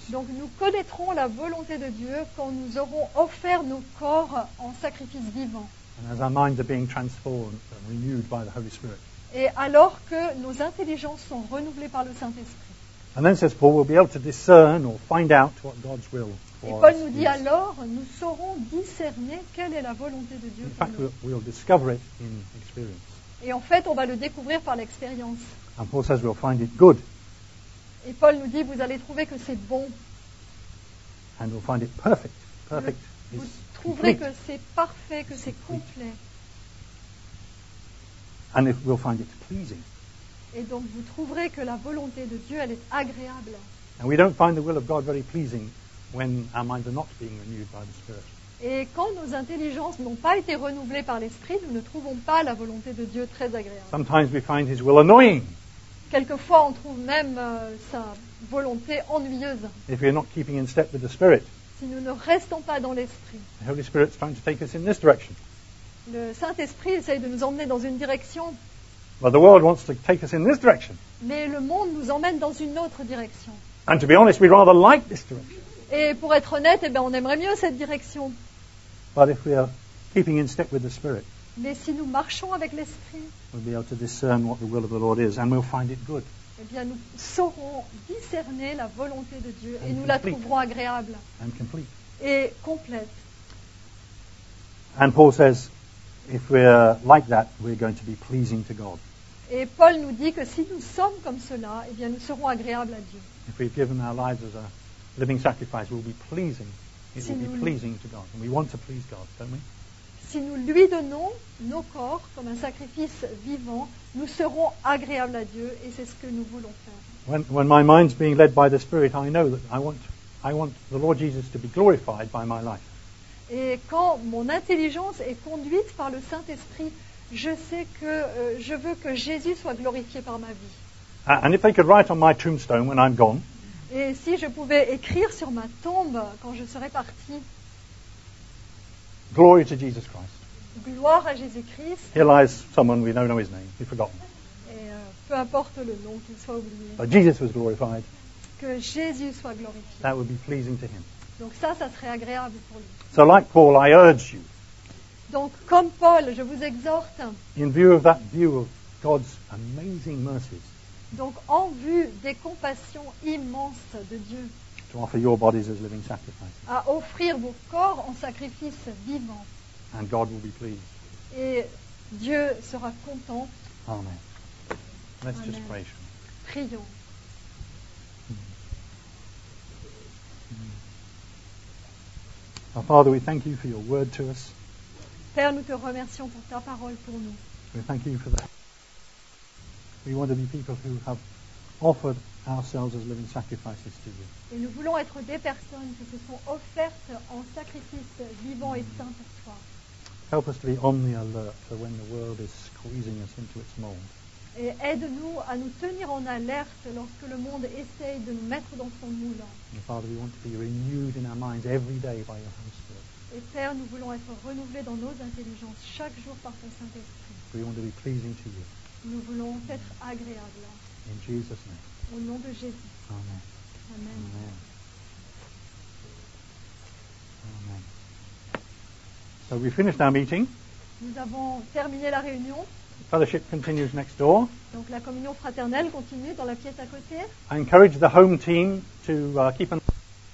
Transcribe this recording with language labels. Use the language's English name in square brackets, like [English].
[French] Donc nous connaîtrons la volonté de Dieu quand nous aurons offert nos corps en sacrifice vivant. [English] And as our minds are being transformed and renewed by the Holy Spirit. [French] Et alors que nos intelligences sont renouvelées par le Saint-Esprit. [English] And then says Paul, we'll be able to discern or find out what God's will for us. [French] Et Paul nous dit alors, nous saurons discerner quelle est la volonté de Dieu. [English] In fact, we'll discover it in experience. [French] Et en fait, on va le découvrir par l'expérience. [English] And Paul says we'll find it good. [French] Et Paul nous dit, vous allez trouver que c'est bon. [English] And we'll find it perfect. Perfect [French] vous trouverez [English] complete. [French] Que c'est parfait, que c'est complet. [English] And if we'll find it pleasing. [French] Et donc, vous trouverez que la volonté de Dieu, elle est agréable. [English] And we don't find the will of God very pleasing when our minds are not being renewed by the Spirit. [French] Et quand nos intelligences n'ont pas été renouvelées par l'Esprit, nous ne trouvons pas la volonté de Dieu très agréable. [English] Sometimes we find his will annoying. [French] Quelquefois, on trouve même sa volonté ennuyeuse. [English] If we are not keeping in step with the Spirit. [French] Si nous ne restons pas dans l'esprit. [English] The Holy Spirit is trying to take us in this direction. [French] Le Saint-Esprit essaye de nous emmener dans une direction. [English] But the world wants to take us in this direction. [French] Mais le monde nous emmène dans une autre direction. [English] And to be honest, we'd rather like this direction. [French] Et pour être honnête, eh bien, on aimerait mieux cette direction. [English] But if we are keeping in step with the Spirit. [French] Mais si nous marchons avec l'esprit. [English] We'll be able to discern what the will of the Lord is, and we'll find it good. [French] Eh bien, nous saurons discerner la volonté de Dieu et nous la trouverons agréable. [English] And complete. [French] Et complète. [English] And Paul says, if we're like that, we're going to be pleasing to God. [French] Et Paul nous dit que si nous sommes comme cela, eh bien, nous serons agréables à Dieu. [English] If we've given our lives as a living sacrifice, we'll be pleasing. It [French] si [English] will be pleasing to God, and we want to please God, don't we? [French] Si nous lui donnons nos corps comme un sacrifice vivant, nous serons agréables à Dieu, et c'est ce que nous voulons faire. [English] When my mind's being led by the Spirit, I know that I want the Lord Jesus to be glorified by my life. [French] Et quand mon intelligence est conduite par le Saint-Esprit, je sais que je veux que Jésus soit glorifié par ma vie. [English] And if they could write on my tombstone when I'm gone. [French] Et si je pouvais écrire sur ma tombe quand je serais parti. [English] Glory to Jesus Christ. [French] Gloire à Jésus-Christ. [English] Here lies someone we don't know his name. He's forgotten. [French] Et peu importe le nom, qu'il soit oublié. [English] But Jesus was glorified. [French] Que Jésus soit glorifié. [English] That would be pleasing to him. [French] Donc ça serait agréable pour lui. [English] So like Paul, I urge you. [French] Donc comme Paul, je vous exhorte. [English] In view of that view of God's amazing mercies. [French] Donc en vue des compassions immenses de Dieu. [English] To offer your bodies as living sacrifices. [French] À offrir vos corps en sacrifice vivant. [English] And God will be pleased. [French] Et Dieu sera content. [English] Amen. Let's [French] Amen. [English] Just pray. Sure. [French] Prions. [English] Our Father, we thank you for your word to us. [French] Père, nous te remercions pour ta parole pour nous. [English] We thank you for that. We want to be people who have offered ourselves as living sacrifices to you. [French] Et nous voulons être des personnes qui se sont offertes en sacrifice vivant et saint pour toi. [English] Help us to be on the alert for when the world is squeezing us into its mold. [French] Et aide-nous à nous tenir en alerte lorsque le monde essaye de nous mettre dans son moule. [English] Father, we want to be renewed in our minds every day by your Holy Spirit. [French] Et Père, nous voulons être renouvelés dans nos intelligences chaque jour par ton Saint-Esprit. [English] We want to be pleasing to you. [French] Nous voulons être agréables. [English] In Jesus' name. [French] Au nom de Jésus. [English] Amen. [French] Amen. [English] Amen. Amen. So we finished our meeting. [French] Nous avons terminé la réunion. [English] Fellowship continues next door. [French] Donc la communion fraternelle continue dans la pièce à côté. [English] I encourage the home team to keep an eye.